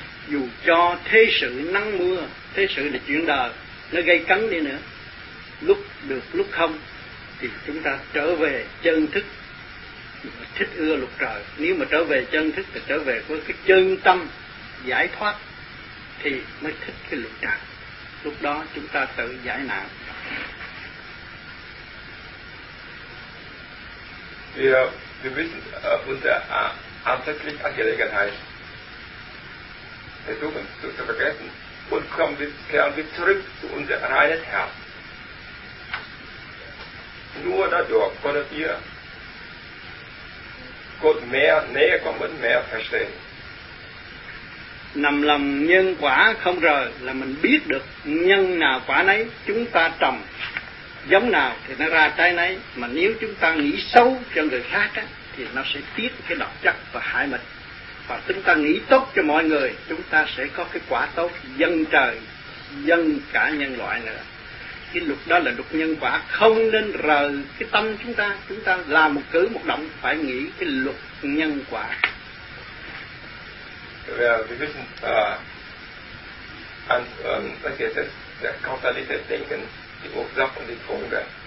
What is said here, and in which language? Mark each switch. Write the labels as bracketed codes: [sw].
[vi] Dù cho thế sự nắng mưa, thế sự là chuyện đời, nó gây cấn đi nữa, lúc được lúc không, thì chúng ta trở về chân thức, thích ưa luật trời. Nếu mà trở về chân thức thì trở về với cái chân tâm giải thoát, thì mới thích cái luật trời. Lúc đó chúng ta tự giải nạn. [de] Wir wissen unsere alltägliche Angelegenheit versuchen zu vergessen und kehren wir zurück zu unserem reinen Herz. Nur dadurch können wir Gott mehr näher kommen, mehr verstehen. [vi] Nằm lòng nhân quả không rời là mình biết được nhân nào quả nấy, chúng ta trồng giống nào thì nó ra trái nấy, mà nếu chúng ta nghĩ xấu cho người khác á, thì nó sẽ tiết cái độc chất và hại mình. Và chúng ta nghĩ tốt cho mọi người, chúng ta sẽ có cái quả tốt dân trời, dân cả nhân loại nữa. Cái luật đó là luật nhân quả, không nên rời cái tâm chúng ta. Chúng ta làm một cử một động phải nghĩ cái luật nhân quả. [de] Wir wissen, sometimes like this, the causalistic thinking, it opens up on the stronger.